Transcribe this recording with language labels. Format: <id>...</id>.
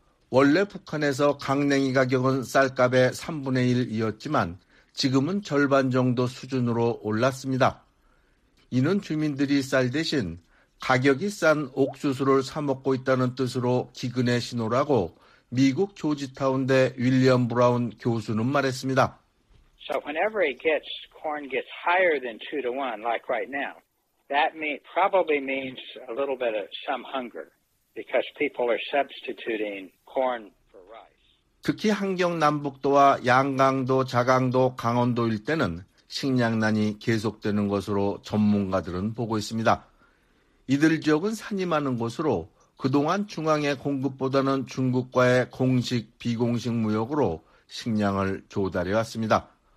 <ko>원래 북한에서 강냉이 가격은 쌀값의 3분의 1이었지만 지금은 절반 정도 수준으로 올랐습니다. 이는 주민들이 쌀 대신 가격이 싼 옥수수를 사 먹고 있다는 뜻으로 기근의 신호라고 미국 조지타운대 윌리엄 브라운 교수는 말했습니다.</ko> <en>So whenever it gets corn gets higher than 2-1 like right now, that probably means a little bit of some hunger because people are substituting corn for rice.</en> <ko>특히 함경 남북도와 양강도, 자강도, 강원도일 때는 식량난이 계속되는 것으로 전문가들은 보고 있습니다. 이들 지역은 산이 많은 곳으로 그동안 중앙의 공급보다는 중국과의 공식, 비공식 무역으로 식량을 조달해 왔습니다.</ko>